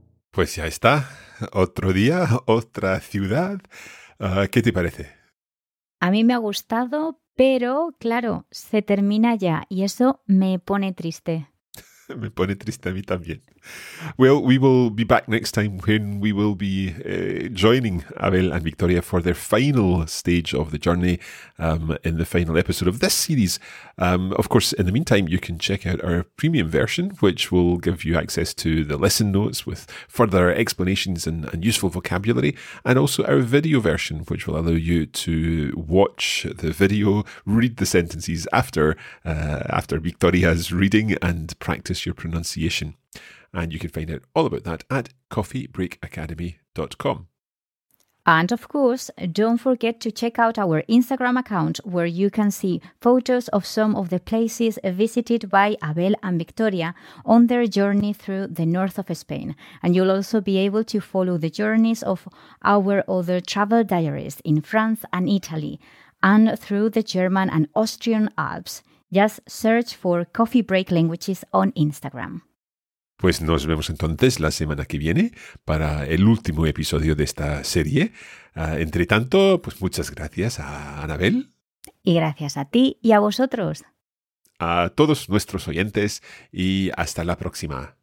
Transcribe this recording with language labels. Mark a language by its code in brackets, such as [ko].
[es] Pues ya está. Otro día, otra ciudad. ¿Qué te parece? A mí me ha gustado, pero claro, se termina ya y eso me pone triste. Me pone triste a mí también. [en] Well, we will be back next time when we will be joining Abel and Victoria for their final stage of the journey in the final episode of this series. Of course, in the meantime, you can check out our premium version, which will give you access to the lesson notes with further explanations and useful vocabulary, and also our video version, which will allow you to watch the video, read the sentences after Victoria's reading, and practice your pronunciation. And you can find out all about that at coffeebreakacademy.com. And of course, don't forget to check out our Instagram account, where you can see photos of some of the places visited by Abel and Victoria on their journey through the north of Spain. And you'll also be able to follow the journeys of our other travel diaries in France and Italy, and through the German and Austrian Alps. Just search for Coffee Break Languages on Instagram. [es] Pues nos vemos entonces la semana que viene para el último episodio de esta serie. Entre tanto, pues muchas gracias a Anabel. Y gracias a ti y a vosotros. A todos nuestros oyentes y hasta la próxima.